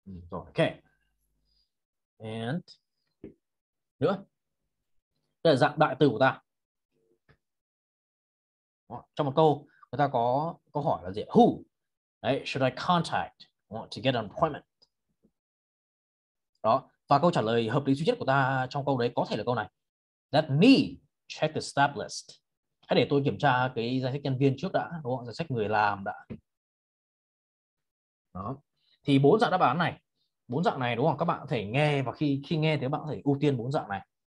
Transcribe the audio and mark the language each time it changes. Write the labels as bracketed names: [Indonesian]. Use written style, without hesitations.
[English] Ok. And nữa. [Vietnamese] Đây là dạng đại từ của ta. Đó. Trong một câu, người ta có câu hỏi là gì? [English] Who? Đấy, should I contact to get an appointment? [Vietnamese] Đó. Và câu trả lời hợp lý duy nhất của ta trong câu đấy có thể là câu này. [English] Let me check the staff list. [Vietnamese] Hãy để tôi kiểm tra cái danh sách nhân viên trước đã, đúng không? Danh sách người làm đã. Đó. Thì bốn dạng đáp án này. Bốn dạng này đúng không? Các bạn có thể nghe và khi nghe thì các bạn có thể ưu tiên bốn dạng này.